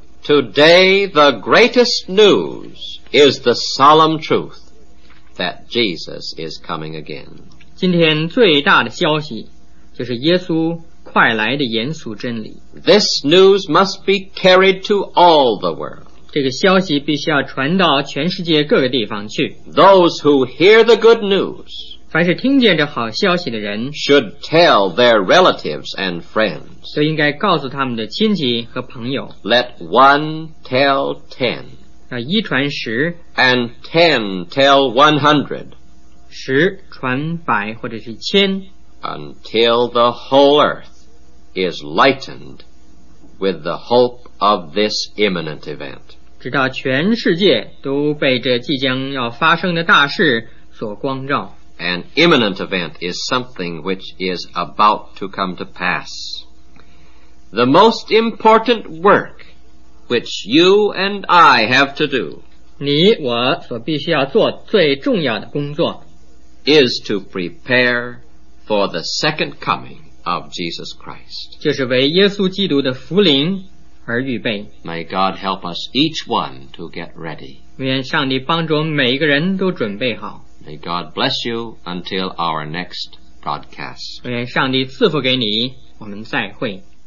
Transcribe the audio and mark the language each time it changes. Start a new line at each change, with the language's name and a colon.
English: Today the greatest news is the solemn truth that Jesus is coming again.
Chinese: 今天最大的消息就是耶稣快来的严肃真理。
English: This news must be carried to all the world.
Chinese: 这个消息必须要传到全世界各个地方去。
English: Those who hear the good news,
Chinese: 凡是听见这好消息的人
English: should tell their relatives and friends.
Chinese: 就应该告诉他们的亲戚和朋友。
English: Let one tell 10,
Chinese: 要一传十
English: and 10 tell 100.
Chinese: 十传百或者是千
English: Until the whole earth is lightened with the hope of this imminent event.
Chinese: 直到全世界都被这即将要发生的大事所光照。
English: an imminent event is something which is about to come to pass. The most important work which you and I have to do,
Chinese: 你我所必须要做最重要的工作,
English: is to prepare for the second coming of Jesus Christ.
Chinese: 就是为耶稣基督的福临而预备。
English: May God help us each one to get ready.
Chinese: 愿上帝帮助每一个人都准备好。
English: May God bless you until our next broadcast.
Chinese: 愿上帝赐福给你，我们再会。